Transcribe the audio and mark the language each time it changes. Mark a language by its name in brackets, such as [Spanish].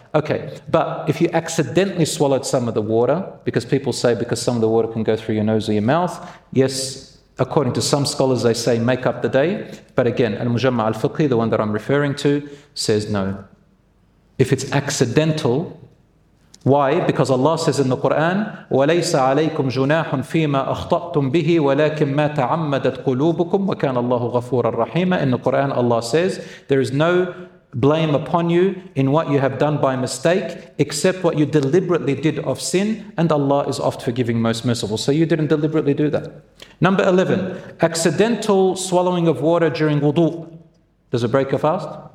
[English] Okay, but if you accidentally swallowed some of the water, because people say because some of the water can go through your nose or your mouth, yes, according to some scholars, they say make up the day. But again, Al-Mujamma Al-Fiqhi, the one that I'm referring to, says no. If it's accidental, why? Because Allah says in the Quran, [Arabic] وَلَيْسَ عَلَيْكُمْ جُنَاحٌ فِي مَا أَخْطَأْتُمْ بِهِ وَلَكِمْ مَا تَعَمَّدَتْ قُلُوبُكُمْ وَكَانَ اللَّهُ غَفُورًا رَحِيمًا. [English] In the Quran, Allah says, there is no blame upon you in what you have done by mistake, except what you deliberately did of sin, and Allah is oft forgiving, most merciful. So you didn't deliberately do that. Number 11, accidental swallowing of water during wudu. Does it break your fast?